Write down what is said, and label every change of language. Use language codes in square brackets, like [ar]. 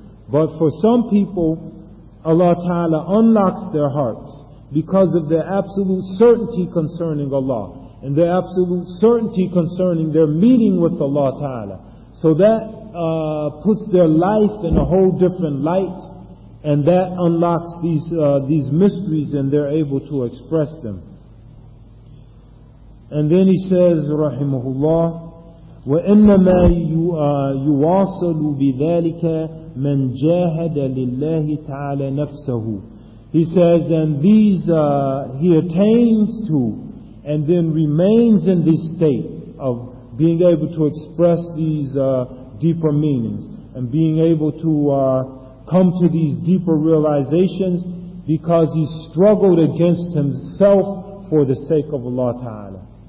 [en] But for some people, Allah Ta'ala unlocks their hearts because of their absolute certainty concerning Allah and their absolute certainty concerning their meeting with Allah Ta'ala. So that puts their life in a whole different light, and that unlocks these mysteries, and they're able to express them. [ar] And then he says, Rahimahullah, وَإِنَّمَا يُوَاصَلُ بِذَلِكَ مَنْ جَاهَدَ لِلَّهِ تَعَالَى نَفْسَهُ. [en] He says, and these he attains to and then remains in this state of being able to express these deeper meanings and being able to come to these deeper realizations because he struggled against himself for the sake of Allah Ta'ala.